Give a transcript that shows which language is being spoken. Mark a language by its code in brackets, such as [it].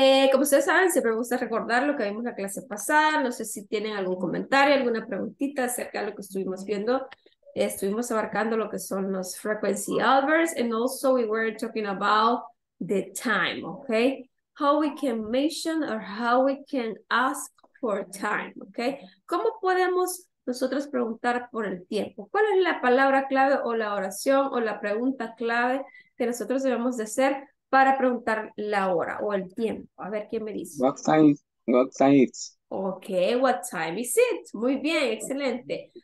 [es] Como ustedes saben, siempre me gusta recordar lo que vimos la clase pasada. No sé si tienen algún comentario, alguna preguntita acerca de lo que estuvimos viendo. Estuvimos abarcando lo que son los [en] frequency adverbs and also we were talking about the time, okay? How we can mention or how we can ask for time, okay? [es] ¿Cómo podemos nosotros preguntar por el tiempo? ¿Cuál es la palabra clave o la oración o la pregunta clave que nosotros debemos de hacer para preguntar la hora o el tiempo? A ver, ¿qué me dice? [en] What time is? Okay, what time is it? [es] Muy bien, excelente.